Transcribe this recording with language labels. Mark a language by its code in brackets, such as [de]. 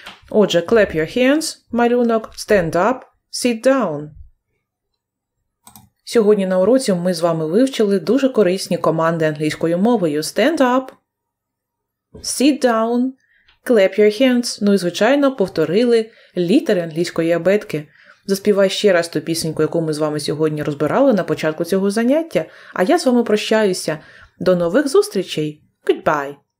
[en] Отже, clap your hands, малюнок, stand up, sit down. [uk] Сьогодні на уроці ми з вами вивчили дуже корисні команди англійською мовою. [en] Stand up, sit down, clap your hands. [uk] Ну і, звичайно, повторили літери англійської абетки. Заспівай ще раз ту пісеньку, яку ми з вами сьогодні розбирали на початку цього заняття. А я з вами прощаюся. До нових зустрічей. Goodbye.